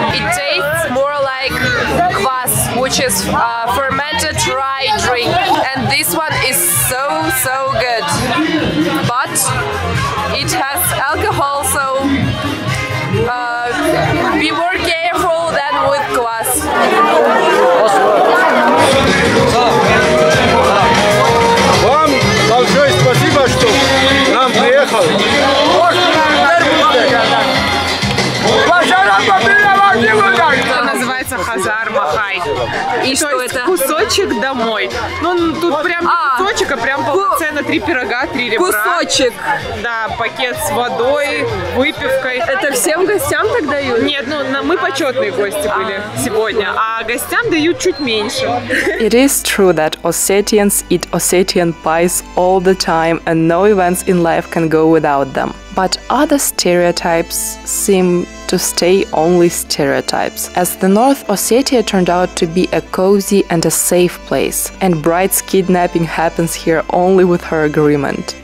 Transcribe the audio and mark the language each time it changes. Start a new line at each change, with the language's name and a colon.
English: It tastes more like kvass, which is a fermented rye drink. And this one is so, so good. But it has alcohol, so be more careful than with glass.
Russian: Вам большое спасибо, что нам приехал. Это называется Хазар Махай. И что то есть это? Кусочек домой. Ну, тут прям не кусочек, а прям полноценно три пирога, три ребра. Кусочек. Да, пакет с водой, выпивкой. Это всем гостям так дают? Нет, ну мы почетные гости были сегодня, а гостям дают чуть меньше.
English: It is true that Ossetians eat Ossetian pies all the time, and no events in life can go without them. But other stereotypes seem to stay only stereotypes, as the North Ossetia turned out to be a cozy and a safe place, and Bride's kidnapping happens here only with her agreement.